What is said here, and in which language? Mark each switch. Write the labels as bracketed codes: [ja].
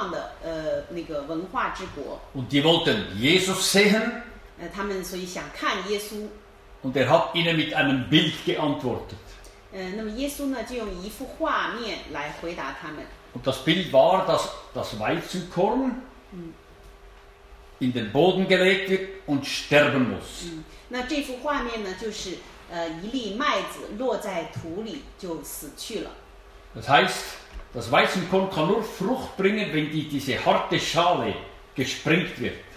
[zh] 当时希腊呢是世界上一个非常兴旺的那个文化之国。 [de] Und die wollten Jesus sehen. [zh] 他们所以想看耶稣。 [de] Und er hat ihnen mit einem Bild geantwortet. [zh] 那么耶稣呢就用一幅画面来回答他们。 [de] Und das Bild war, dass das Weizenkorn in den Boden gelegt wird und sterben muss. [zh] 那这幅画面呢就是一粒麦子落在土里就死去了。 [de] Das heißt, das Weizenkorn kann nur Frucht bringen, wenn diese harte Schale gesprengt wird.